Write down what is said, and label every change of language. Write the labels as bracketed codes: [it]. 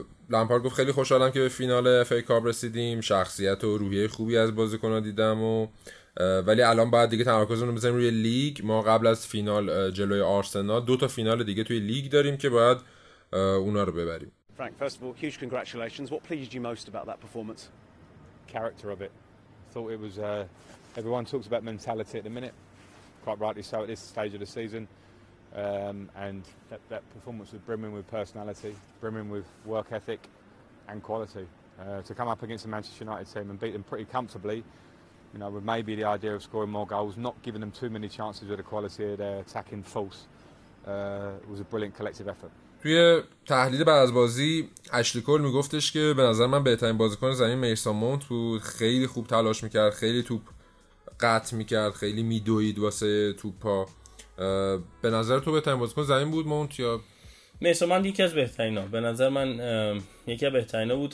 [fa] لامپارد گفت خیلی خوشحالم که به فینال اف ای کاپ رسیدیم، شخصیت و روحیه خوبی از بازیکن‌ها دیدم و ولی الان باید دیگه تمرکزمون رو بذاریم روی لیگ. ما قبل از فینال جلوی آرسنال دو تا فینال دیگه توی لیگ داریم که باید اونا رو ببریم. [en] Frank, first of all, huge congratulations. What pleased you most about that performance? Character of it. Thought it was everyone talks about mentality at the minute. quite rightly so at this stage of the season. And that performance was brimming with personality, brimming with work ethic and quality. To come up against the Manchester United team and beat them pretty comfortably, you know, with maybe the idea of scoring more goals, not giving them too many chances with the quality of their attacking force, was a brilliant collective effort. [fa] توی تحلیل بعد از بازی اشلی کول میگفتش که به نظر من بهترین بازیکن زمین میسون مونت بود، خیلی خوب تلاش میکرد، خیلی توپ قطع میکرد، خیلی میدوید واسه توپا. به نظر تو بهترین بازیکن زمین بود مونت یا میسون مونت؟ یکی از بهترین ها به نظر من، یکی از بهترین ها بود.